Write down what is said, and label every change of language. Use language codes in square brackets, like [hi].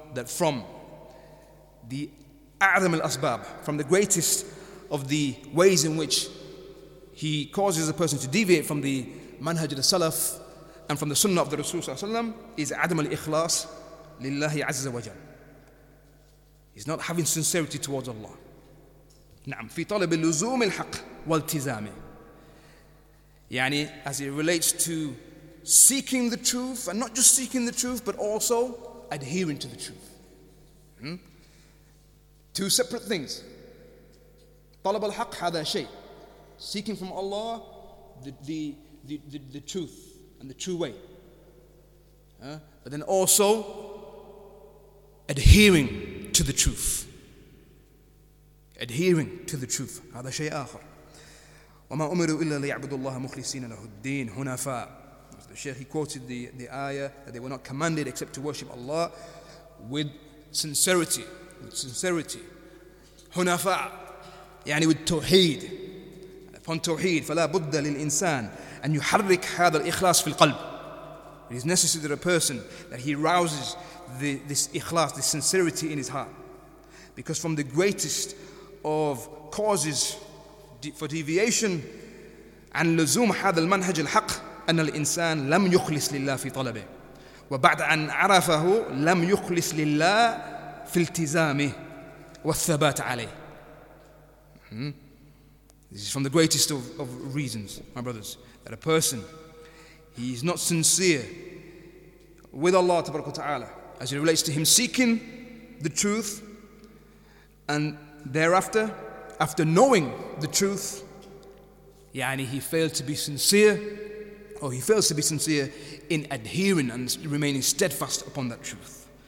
[en] that from the a'zam al-asbab, from the greatest of the ways in which he causes a person to deviate from the manhaj al-salaf and from the sunnah of the Rasul sallallahu alayhi wa sallam, is adam al-ikhlas lillahi azza wa jal. He's not having sincerity towards Allah. [ar] نعم في طلب اللزوم الحق والتزامه. [en] يعني as it relates to seeking the truth, and not just seeking the truth, but also adhering to the truth. Two separate things. [ar] طلب الحق هذا شيء. [en] Seeking from Allah the truth and the true way. But then also adhering to the truth. Adhering to the truth. [ar] هذا شيء آخر. وما أمروا إلا ليعبدوا الله مخلصين له الدين حنفاء. [en] The Shaykh, he quoted the ayah that they were not commanded except to worship Allah with sincerity. With sincerity. حنفاء. يعني with توحيد. Upon توحيد. [ar] فلا بد للإنسان أن يحرك هذا الإخلاص في القلب. [en] It is necessary that a person that he rouses this ikhlas, this sincerity in his heart. Because from the greatest of causes for deviation [ar] عن لزوم هذا المنهج الحق أن الإنسان لم يخلص لله في طلبه وبعد أن عرفه لم يخلص لله في التزامه والثبات عليه. [en] This is from the greatest of reasons, my brothers, that a person, he is not sincere with Allah tabaraka wa ta'ala as it relates to him seeking the truth, and thereafter, after knowing the truth, يعني he failed to be sincere, or he fails to be sincere in adhering and remaining steadfast upon that truth.